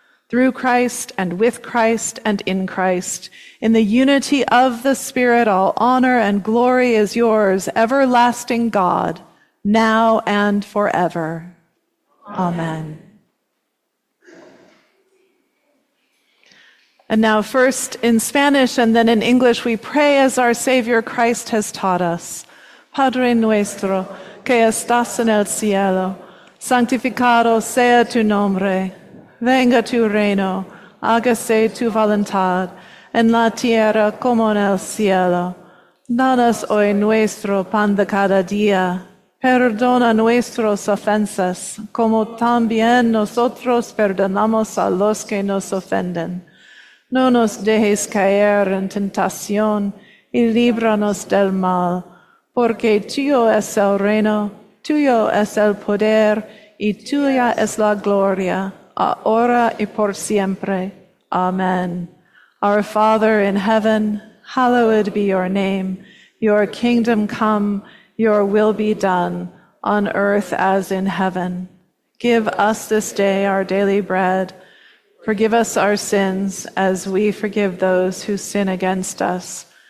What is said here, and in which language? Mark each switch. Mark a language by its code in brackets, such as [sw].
[en] Through Christ and with Christ and in Christ, in the unity of the Spirit, all honor and glory is yours, everlasting God, now and forever. Amen. And now first in Spanish and then in English, we pray as our Savior Christ has taught us. [es] Padre nuestro, que estás en el cielo, santificado sea tu nombre. Venga tu reino, hágase tu voluntad, en la tierra como en el cielo. Danos hoy nuestro pan de cada día. Perdona nuestras ofensas, como también nosotros perdonamos a los que nos ofenden. No nos dejes caer en tentación y líbranos del mal, porque tuyo es el reino, tuyo es el poder y tuya es la gloria, ahora y por siempre. Amen. [en] Our Father in heaven, hallowed be your name. Your kingdom come, your will be done, on earth as in heaven. Give us this day our daily bread. Forgive us our sins as we forgive those who sin against us.